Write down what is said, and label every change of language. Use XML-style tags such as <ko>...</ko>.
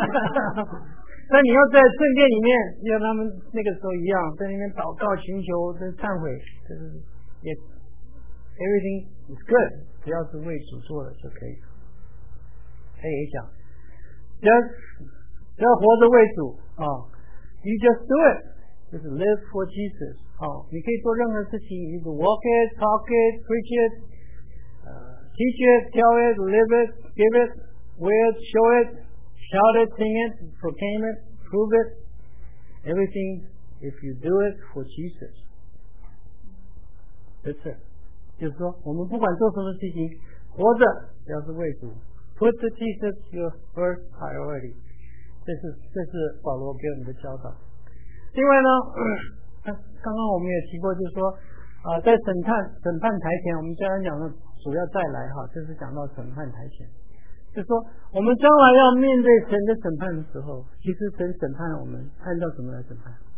<zh>但你要在圣殿里面，像他们那个时候一样，在那边祷告、寻求、跟忏悔，就是也</zh> <en>everything is good，</en> <zh>只要是为主做的就可以。他也讲，只要活着为主啊、哦、，</zh> <en>you just do it，</en> <zh>就是</zh> <en>live for Jesus、</en> <zh>哦。好，你可以做任何事情，你是</zh> <en>walk it、talk it、preach it。 Teach it, tell it, live it, give it, wear it, show it, shout it, sing it, proclaim it, prove it. Everything, if you do it for Jesus. That's it.</en> <zh>就是说我们不管做什么事情，活着要是为主。</zh> <en>Put the Jesus your first priority.</en> <zh>这是保罗给我们的教导。另外呢，刚刚我们也提过，就是说在审判台前，我们刚刚讲的主要再来哈，就是讲到审判台前，就说我们将来要面对神的审判的时候，其实神审判我们按照什么来审判？</zh>